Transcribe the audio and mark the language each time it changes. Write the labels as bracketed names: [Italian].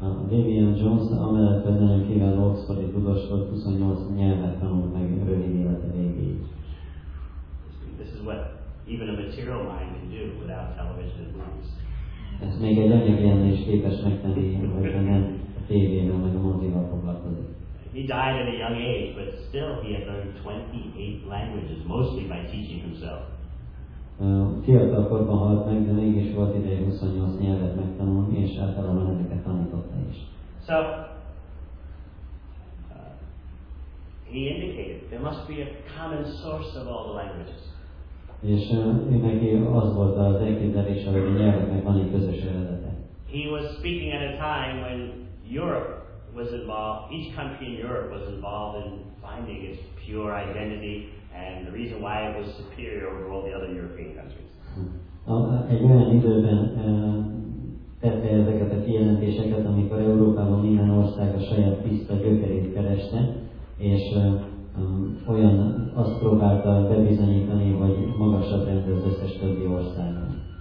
[Hungarian] William Jones, amellett, hogy nagyon kiváló oxfordi tudós volt, 28 nyelvet tanult meg rövid élete végéig. [English] This is what even a material mind can do without television and movies. [Hungarian] Ez még egy anyagi ember is képes megtenni, hogyha nem a tévével, meg a mozival foglalkozik. [English] He died at a young age, but still he had learned 28 languages, mostly by teaching himself. [Hungarian] Fiatal korban halt meg, de mégis volt ideje 28 nyelvet megtanulni, és általában ezeket tanította is. [English] So, he indicated, there must be a common source of all the languages. [Hungarian] És neki az volt az elképzelés, hogy a nyelveknek van egy közös eredete. [English] He was speaking at a time when Europe was involved, each country in Europe was involved in finding its pure identity, and the reason why it was superior over all the other European countries. [Hungarian] Egy olyan időben tette ezeket a kijelentéseket, amikor Európában minden ország a saját tiszta gyökerét kereste, és olyan azt próbálta bebizonyítani, hogy magasabb rendű az összes többi országban.